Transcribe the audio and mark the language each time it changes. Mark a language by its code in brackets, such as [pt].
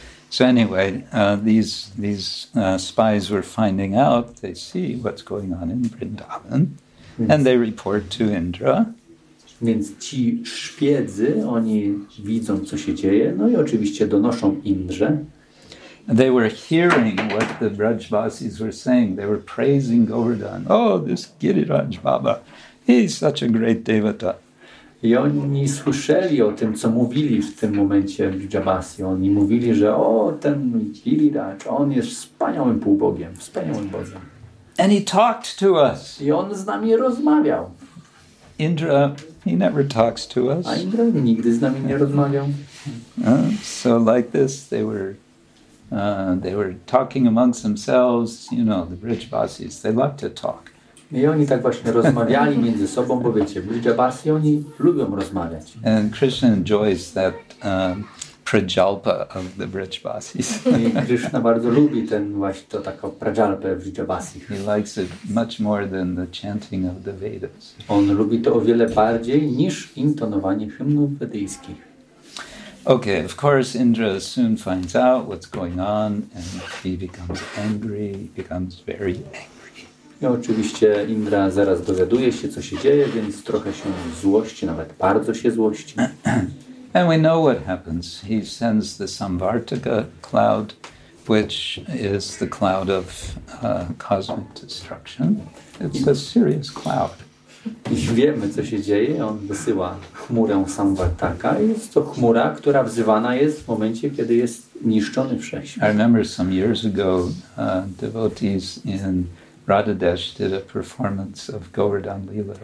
[en] So anyway, these spies were finding out, they see what's going on in Vrindavan, and they report to Indra. [pl] Więc ci szpiedzy, oni widzą, co się dzieje, no i oczywiście donoszą Indrze. [en] They were hearing what the Brajvasis were saying. They were praising Govardhan. Oh, this Giriraj Baba, he's such a great devata. [pl] I oni słyszeli o tym, co mówili w tym momencie Brijavasi. Oni mówili, że o, ten Giriraj, on jest wspaniałym półbogiem, wspaniałym bogiem. [en] And he talked to us. [pl] I on z nami rozmawiał. [en] Indra, he never talks to us. [pl] A Indra nigdy z nami nie rozmawiał. [en] So like this, they were talking amongst themselves, you know, the Brijavasis, they love to talk. [pl] I oni tak właśnie rozmawiali między sobą, bo wiecie, Brijavasi, oni lubią rozmawiać. [en] And Krishna enjoys that prajalpa of the Brijavasis. [pl] I Krishna bardzo lubi ten właśnie to taką prajalpę Brijavasi. [en] He likes it much more than the chanting of the Vedas. [pl] On lubi to o wiele bardziej niż intonowanie hymnów wedyjskich. [en] Okay, of course Indra soon finds out what's going on and he becomes angry, he becomes very angry. [pl] I oczywiście Indra zaraz dowiaduje się, co się dzieje, więc trochę się złości, nawet bardzo się złości. [en] And we know what happens. He sends the Samvartaka cloud, which is the cloud of cosmic destruction. It's a serious cloud. [pl] I wiemy, co się dzieje. On wysyła chmurę Samvartaka. Jest to chmura, która wzywana jest w momencie, kiedy jest niszczony wszechświat. [en] I remember some years ago, devotees in Radhadesh did a performance of Govardhan Lila.